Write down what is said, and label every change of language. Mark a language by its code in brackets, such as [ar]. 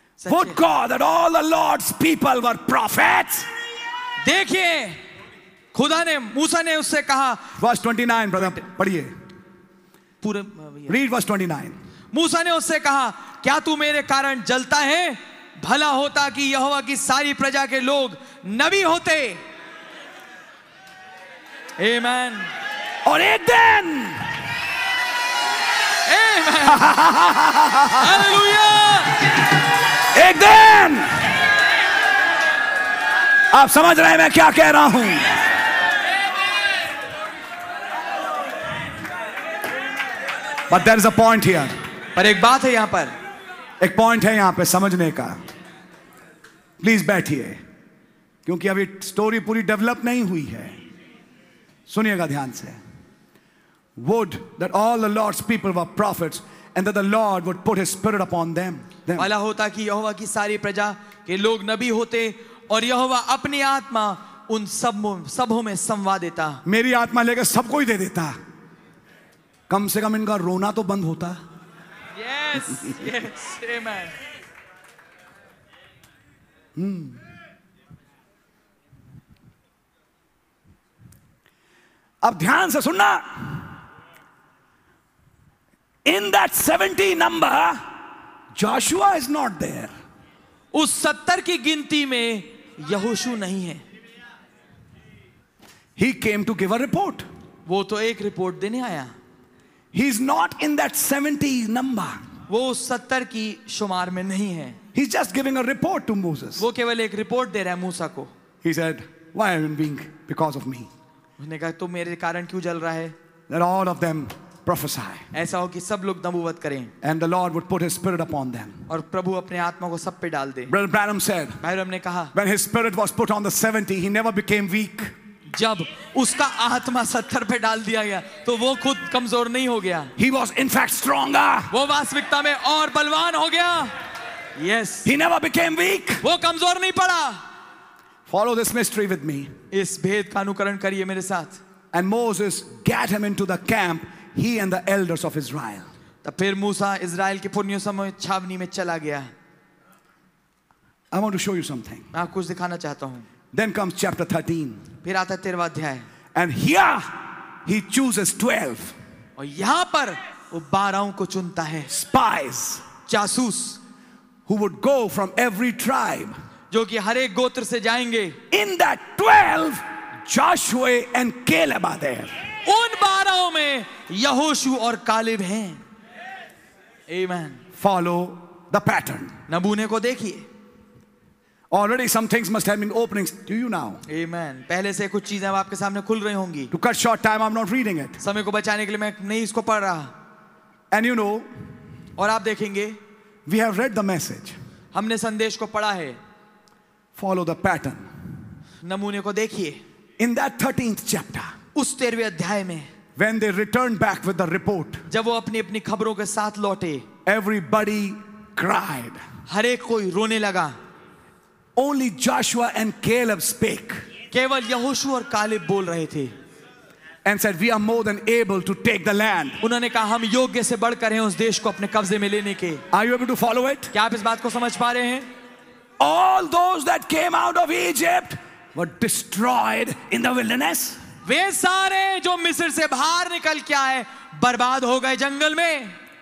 [en] Would God that all the Lord's people were prophets. [hi] देखिए, खुदा ने मूसा ने उससे कहा, [en] verse 29, brother, [hi] पढ़िए पूरे, [en] read verse 29. [hi] मूसा ने उससे कहा, क्या तू मेरे कारण जलता है? भला होता कि यहोवा की सारी प्रजा के लोग नबी होते. [en] Amen. [hi] और एक दिन, [en] Amen. Hallelujah. [hi] एक दिन, आप समझ रहे हैं मैं क्या कह रहा हूं? [en] But there is a point here. [hi] पर एक बात है यहां पर, एक पॉइंट है यहां पर समझने का. प्लीज बैठिए, क्योंकि अभी स्टोरी पूरी डेवलप नहीं हुई है. सुनिएगा ध्यान से. [en] Would that all the Lord's people were prophets, and that the Lord would put His Spirit upon them. [hi] भला होता कि यहोवा की सारी प्रजा के लोग नबी होते, और यहोवा अपनी आत्मा उन सबों में संवाद देता. मेरी आत्मा लेकर सबको ही दे देता, कम से कम इनका रोना तो बंद होता. [en] Yes, yes, amen. [hi] अब ध्यान से सुनना. [en] In that 70 number, Joshua is not there. [hi] उस 70 की गिनती में यहोशू नहीं है. [en] He came to give a report. [hi] वो तो एक रिपोर्ट देने आया. [en] He is not in that 70 number. [hi] वो उस 70 की शुमार में नहीं है. [en] He is just giving a report to Moses. [hi] वो केवल एक रिपोर्ट दे रहा है मूसा को. [en] He said, "Why are you being because of me?" [hi] उसने कहा, तो मेरे कारण क्यों जल रहा है? [en] That all of them prophesy. [hi] ऐसा हो कि सब लोग नबुवत करें. [en] And the Lord would put His Spirit upon them. [hi] और प्रभु अपने आत्मा को सब पे डाल दे. [en] Brother Branham said, [hi] भाईराम ने कहा, [en] when His Spirit was put on the 70, He never became weak. [hi] जब उसका आत्मा 70 पे डाल दिया गया, तो वो खुद कमजोर नहीं हो गया. [en] He was in fact stronger. [hi] वो वास्तविकता में और बलवान हो गया. [en] Yes. He never became weak. [hi] वो कमजोर नहीं पड़ा. [en] Follow this mystery with me. [hi] इस भेद का अनुकरण करिए मेरे साथ. [en] And Moses got him into the camp, he and the elders of Israel. [hi] तब फिर मूसा इज़राइल के पुरनियों समय छावनी में चला गया. [en] I want to show you something. [hi] मैं आपको कुछ दिखाना चाहता हूँ. [en] Then comes chapter 13. [hi] फिर आता है 13वां अध्याय. [en] And here he chooses 12. [hi] और यहाँ पर वो 12ों को चुनता है. [en] Spies. [hi] जासूस. [en] Who would go from every tribe. [hi] जो कि हर एक गोत्र से जाएंगे. [en] In that 12, Joshua and Caleb are there. [hi] उन 12 लड़ाइयों में यहोशू और कालिब हैं. [en] Amen. Follow the pattern. [hi] नबूने को देखिए. [en] Already some things must have been openings to you now. Amen. [hi] पहले से कुछ चीजें अब आपके सामने खुल रही होंगी. [en] To cut short time, I'm not reading it. [hi] समय को बचाने के लिए मैं नहीं इसको पढ़ रहा. [en] And you know. [hi] और आप देखेंगे. [en] We have read the message. [hi] हमने संदेश को पढ़ा है. [en] Follow the pattern. [hi] नमूने को देखिए. [en] In that 13th chapter. [hi] उस 13वें अध्याय में. [en] When they returned back with the report. [hi] जब वो अपनी अपनी खबरों के साथ लौटे. [en] Everybody cried. [hi] हर एक कोई रोने लगा. [en] Only Joshua and Caleb spake. [hi] केवल यहोशू और कालिब बोल रहे थे. [en] And said, "We are more than able to take the land." [hi] उन्होंने कहा हम योग्य से बढ़कर हैं उस देश को अपने कब्जे में लेने के. [en] Are you able to follow it? [hi] क्या आप इस बात को समझ पा रहे हैं? [en] All those that came out of Egypt were destroyed in the wilderness. [hi] वे सारे जो मिस्र से बाहर निकल के आए बर्बाद हो गए जंगल में.